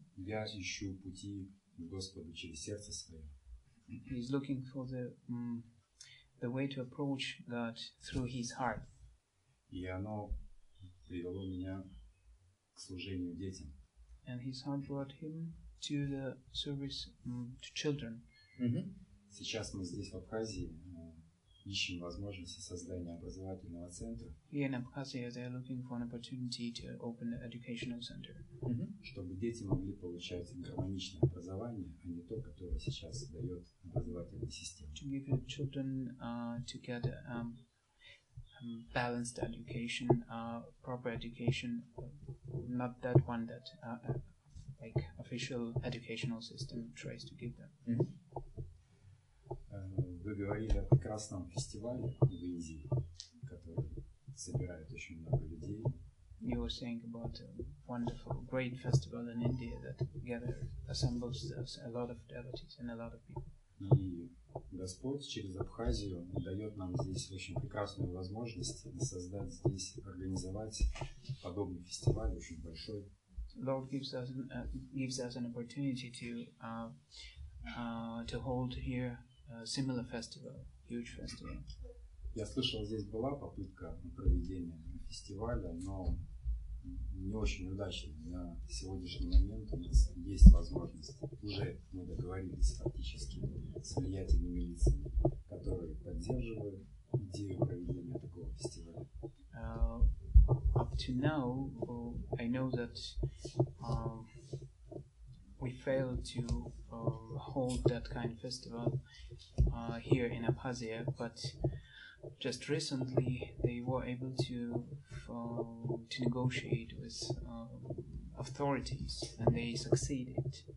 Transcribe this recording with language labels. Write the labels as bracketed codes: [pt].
[ru] Я ищу пути Господу через сердце свое. [en] He's looking for the way to approach God through his heart. [ru] И оно привело меня к служению детям. [en] And his heart brought him to the service to children. Mm-hmm. [ru] Сейчас мы здесь в Абхазии ищем возможности создания образовательного центра. [en] Here in Abkhazia, they are looking for an opportunity to open an educational center. [ru] Чтобы дети могли получать гармоничное образование, а не то, которое сейчас дает образовательная система. [en] To give your children to get balanced education, proper education, not that one that like official educational system tries to give them. Mm-hmm. [ru] Вы говорили о прекрасном фестивале в Индии, который собирает очень много людей. [en] You were saying about a wonderful, great festival in India that gathers, assembles a lot of devotees and a lot of people. [ru] И Господь через Абхазию дает нам здесь очень прекрасную возможность создать здесь, организовать подобный фестиваль очень большой. [en] Lord gives us an opportunity to hold here. Similar festival, huge festival. [ru] Я слышал, здесь была попытка проведения фестиваля, но не очень удачно. На сегодняшний момент у нас есть возможность. Уже мы договорились фактически с влиятельными лицами, которые поддерживают идею проведения такого фестиваля. [en] Up to now, I know that we failed to hold that kind of festival here in Abkhazia, but just recently they were able to negotiate with authorities and they succeeded.